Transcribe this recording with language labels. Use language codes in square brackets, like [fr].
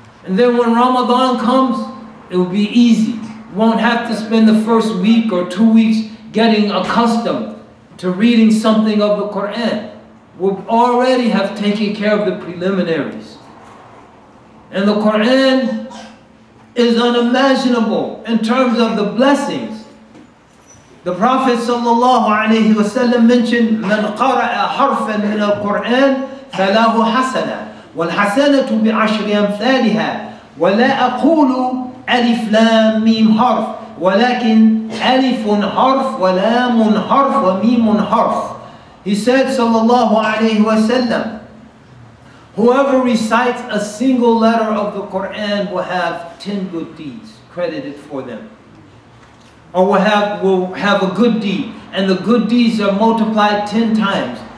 [en] And then when Ramadan comes, it will be easy. You won't have to spend the first week or 2 weeks getting accustomed to reading something of the Quran. We'll already have taken care of the preliminaries. And the Quran is unimaginable in terms of the blessings. [ar] The Prophet sallallahu alayhi wa sallam mentioned, من قرأ حرفا من القرآن فله حسنة والحسنة بعشر أمثالها ولا أقول ألف لام ميم حرف ولكن ألف حرف ولام حرف وميم حرف. [en] He said sallallahu alayhi wa sallam, whoever recites a single letter of the Quran will have 10 good deeds credited for them. Or will have a good deed, and the good deeds are multiplied 10 times.